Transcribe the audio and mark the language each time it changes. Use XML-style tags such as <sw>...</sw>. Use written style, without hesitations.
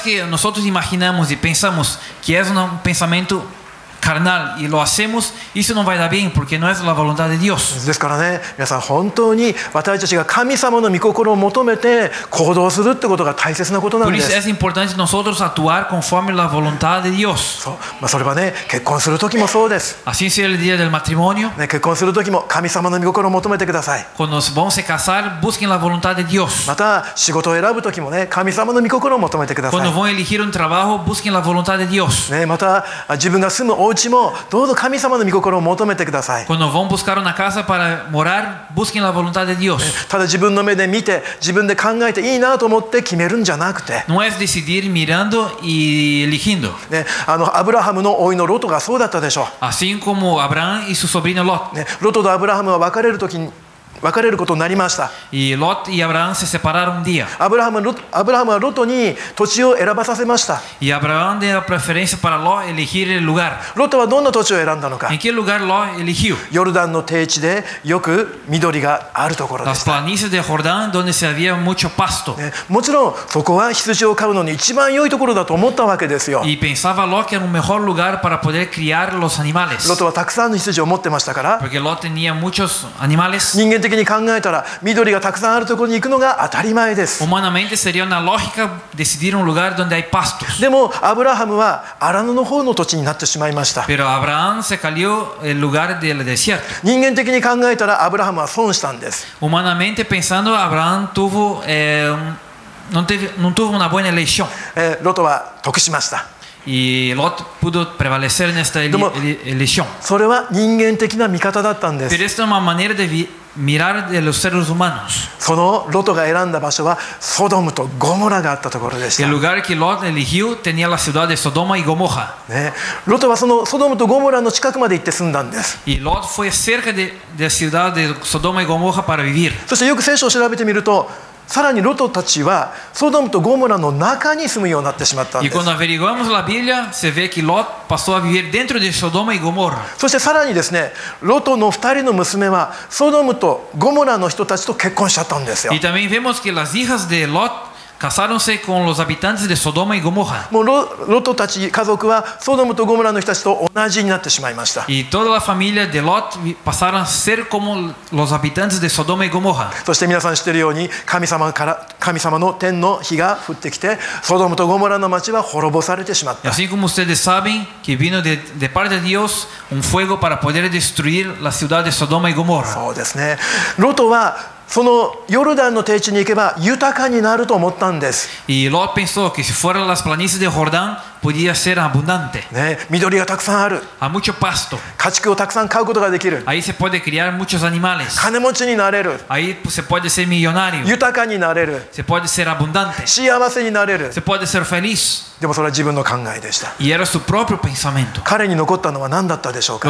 <es>Nosotros imaginamos y pensamos que es un pensamiento carnal y lo hacemos, eso no va a dar bien porque no es la voluntad de Dios.</es> <ja>ですからね、皆さん本当に私たちが神様の御心を求めて行動するってことが大切なことなんです。</ja> <es>Por eso es importante nosotros actuar conforme la voluntad de Dios.</es> <ja>それはね、結婚する時もそうです。</ja> <es>Así sea el día del matrimonio.</es> <ja>結婚する時も神様の御心を求めてください。</ja> <es>Cuando nos vamos a casar, busquen la voluntad de Dios.</es> <ja>また仕事を選ぶ時もね、神様の御心を求めてください。</ja> <es>Cuando vamos a elegir un trabajo, busquen la voluntad de Dios.</es> <ja>ね、また自分が住むお家もどうぞ神様の御心を求めてください。</ja> <es>Cuando van a buscar una casa para morar, busquen la voluntad de Dios.</es> <ja>ただ自分の目で見て自分で考えていいなと思って決めるんじゃなくて、</ja> <es>No es decidir mirando y eligiendo.</es> <ja>ね、あのアブラハムの甥のロトがそうだったでしょう。</ja> <es>Así como Abraham y su sobrino Lot.</es> <ja>ね、ロトとアブラハムは別れる時に別れることになりました。</ja> <es>Y Lot y Abraham se separaron un día.</es> <ja>Abraham はロトに土地を選ばさせました。</ja> <es>Y Abraham dio preferencia para Lot elegir el lugar.</es> <ja>ロトはどんな土地を選んだのか。</ja> <es>En qué lugar Lot eligió?</es> <ja>ヨルダンの低地でよく緑があるところでした。</ja> <es>Las planicies de Jordán donde se había mucho pasto.</es> <ja>ね、もちろんそこは羊を飼うのに一番良いところだと思ったわけですよ。</ja> <es>Y pensaba Lot que era un mejor lugar para poder criar los animales.</es> <ja>ロトはたくさんの羊を持ってましたから。</ja> <es>Porque Lot tenía muchos animales.</es> <ja>人間的に考えたら緑がたくさんあるところに行くのが当たり前です。</ja> <es>Humanamente sería una lógica decidir un lugar donde hay pastos.</es> <ja>でもアブラハムはアラノの方の土地になってしまいました。</ja> <es>Pero Abraham se cayó el lugar del desierto.</es> <ja>人間的に考えたらアブラハムは損したんです。</ja> <es>Humanamente pensando, Abraham tuvo no tuvo una buena elección.</es> <ja>ロトは得しました。</ja> <es>Y Lot pudo prevalecer en esta elección.</es> <ja>それは人間的な見方だったんです。</ja> <es>Pero esta es una manera de mirar de los seres humanos.</es> <ja>そのロトが選んだ場所はソドムとゴモラがあったところでした。</ja> <es>El lugar que Lot eligió tenía la ciudad de Sodoma y Gomorra.</es> <ja>ね、ロトはそのソドムとゴモラの近くまで行って住んだんです。</ja> <es>Y Lot fue cerca de la ciudad de Sodoma y Gomorra para vivir.</es> <ja>そしてよく聖書を調べてみると、さらにロトたちはソドムとゴモラの中に住むようになってしまったんです。</ja> <es>Y cuando averiguamos la Biblia, se ve que Lot pasó a vivir dentro de Sodoma y Gomorra.</es> <ja>そしてさらにですね、ロトの二人の娘はソドムとゴモラの人たちと結婚しちゃったんですよ。</ja> <es>Y también vemos que las hijas de Lot casaronse con los habitantes de Sodoma y Gomorra.</es> <ja>もうロトたち家族はソドムとゴモラの人たちと同じになってしまいました。</ja> <es>Y toda la familia de Lot pasaron a ser como los habitantes de Sodoma y Gomorra.</es> <ja>そして皆さん知っているように神様の天の火が降ってきて、ソドムとゴモラの町は滅ぼされてしまった。</ja> <es>Así como ustedes saben que vino de parte de Dios un fuego para poder destruir la ciudad de Sodoma y Gomorra.</es> <ja>そうですね。ロトはそのヨルダンの低地に行けば豊かになると思ったんです。</ja> <es>Y Lot pensó que si fuera las planicies de Jordán podía ser abundante.</es> <ja>ね、緑がたくさんある。</ja> <es>A mucho pasto.</es> <ja>家畜をたくさん飼うことができる。</ja> <es>Ahí se puede criar muchos animales.</es> <ja>金持ちになれる。</ja> <es>Ahí se puede ser millonario.</es> <ja>豊かになれる。</ja> <es>Se puede ser abundante.</es> <ja>幸せになれる。</ja> <es>Se puede ser feliz.</es> <ja>でもそれは自分の考えでした。</ja> <es>Y era su propio pensamiento.</es> <ja>彼に残ったのは何だったでしょうか。</ja>